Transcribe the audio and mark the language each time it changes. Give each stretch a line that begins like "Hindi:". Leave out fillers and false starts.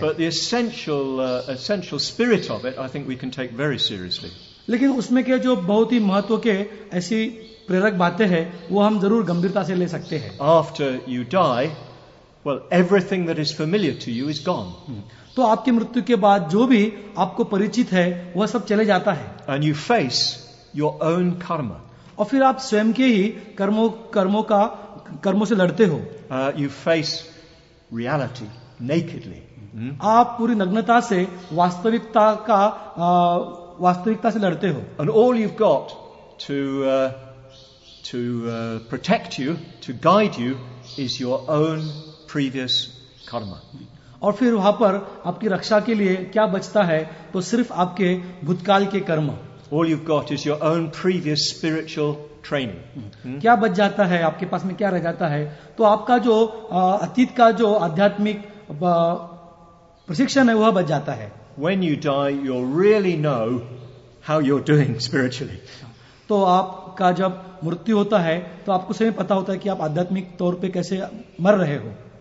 English: But the essential spirit of it, I think we can take very seriously.
Hindi: लेकिन उसमें के जो बहुत ही महत्व के ऐसी प्रेरक बातें हैं वो हम जरूर गंभीरता से ले सकते हैं.
English: After you die, well, everything that is familiar to you is gone.
Hindi: तो आपकी मृत्यु के बाद जो भी आपको परिचित है वह सब चले जाता है.
English: And you face your own karma.
Hindi: और फिर आप स्वयं के ही कर्मों से लड़ते हो.
English: You face reality nakedly.
Hindi: आप पूरी नग्नता से वास्तविकता का वास्तविकता से लड़ते हो.
English: And all you've got to protect you, to guide you, is your own previous karma.
Hindi: और फिर वहां पर आपकी रक्षा के लिए क्या बचता है? तो सिर्फ आपके भूतकाल के कर्म.
English: All you've got is your own previous spiritual training.
Hindi: क्या बच जाता है आपके पास में, क्या रह जाता है? तो आपका जो अतीत का जो आध्यात्मिक प्रशिक्षण है वह बच जाता है.
English: When you die, you'll really know how you're doing spiritually.
Hindi: तो आपका जब मृत्यु होता है तो आपको सही पता होता है कि आप आध्यात्मिक तौर पे कैसे मर रहे हो.